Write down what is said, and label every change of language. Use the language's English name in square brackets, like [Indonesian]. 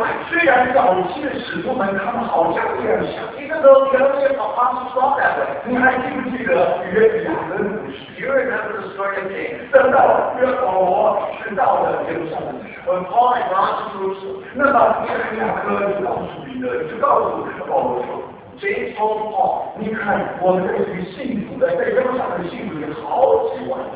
[Chinese] 虽然早期的使徒们他们好像这样想 [English] ，Even though the early apostles thought that way， [Chinese] 你还记不记得约雅各的故事 [English] ？You remember the story of James？ [Chinese] 等到约保罗去到了耶路撒冷 [English] ，When Paul and Barnabas went to Jerusalem， [Chinese] 那么约雅各就告诉彼得，就告诉保罗说 [English] ，James told Paul， [Chinese] 你看我们这群信徒的在耶路撒冷信徒有好几万。